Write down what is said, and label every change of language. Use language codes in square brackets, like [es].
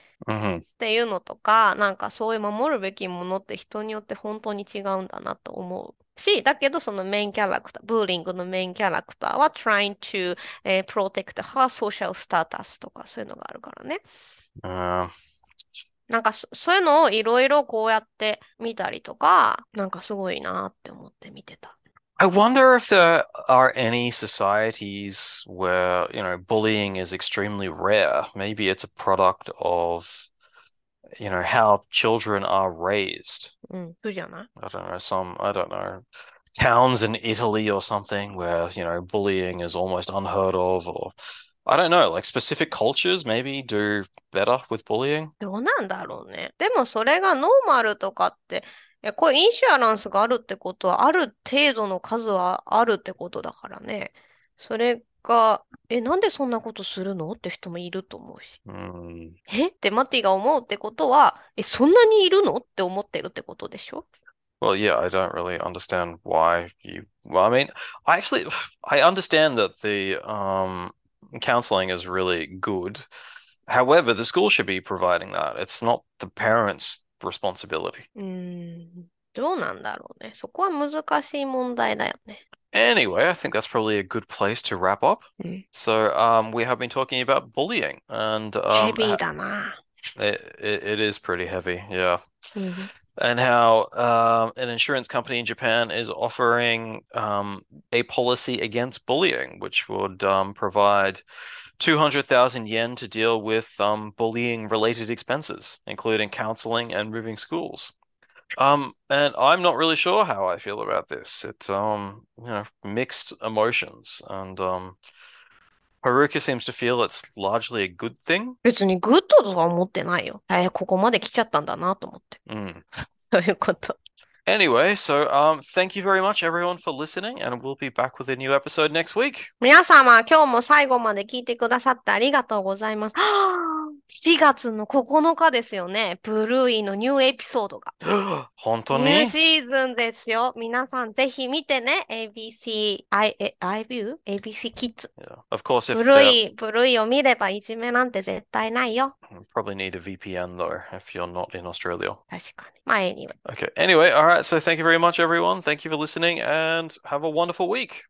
[ja] っていうのとか、なんかそういう守るべきものって人によって本当に違うんだなと思うし、だけどそのメインキャラクター、ブーリングのメインキャラクターは [en] trying to protect her social status [ja] とかそういうのがあるからね。なんかそういうのをいろいろこうやって見たりとか、なんかすごいなって思って見てた。 [en] I wonder if there are any societies where, bullying is extremely rare. Maybe it's a product of, how children are raised. [ja] うん、そうじゃない。 [en] I don't know, I don't know, towns in Italy or something where, bullying is almost unheard of, or I don't know, like specific cultures maybe do better with bullying. [ja] どうなんだろうね。でもそれがノーマルとかって、いや、こうインシュアランスがあるってことは、ある程度の数はあるってことだからね。それが、なんでそんなことするの？って人もいると思うし。え？ってマティが思うってことは、そんなにいるの？って思ってるってことでしょ？ [en] Well, yeah, I don't really understand why you. Well, I mean, I understand that the counseling is really good. However, the school should be providing that. It's not the parents' responsibility. [ja] どうなんだろうね。そこは難しい問題だよね。 [en] Anyway, I think that's probably a good place to wrap up. [ja] うん。 [en] So, we have been talking about bullying, and [ja] ヘビーだな。 [en] it is pretty heavy, yeah. [ja] うん。 [en] And how an insurance company in Japan is offering a policy against bullying, which would provide 200,000 yen to deal with bullying-related expenses, including counseling and moving schools. And I'm not really sure how I feel about this. It's mixed emotions, and Haruka seems to feel it's largely a good thing. [ja] 別にグッドとは思ってないよ。ここまで来ちゃったんだなと思って。そういうこと。 [en] Anyway, thank you very much everyone for listening, and we'll be back with a new episode next week. [ja] 皆様、今日も最後まで聞いてくださってありがとうございます。 4月の9日ですよね。ブルーイのニューエピソードが。本当ニューに？シーズンですよ。皆さん、ぜひ見てね。ABC、アイビュー ?ABC キッズ。 [en] Yeah. Of course, if they're [ja] ブルーイを見ればいじめなんて絶対ないよ。 [en] Probably need a VPN though if you're not in Australia. [ja] 確かに。まあ、anyway。 [en] Okay, anyway, all right, so thank you very much, everyone. Thank you for listening and have a wonderful week.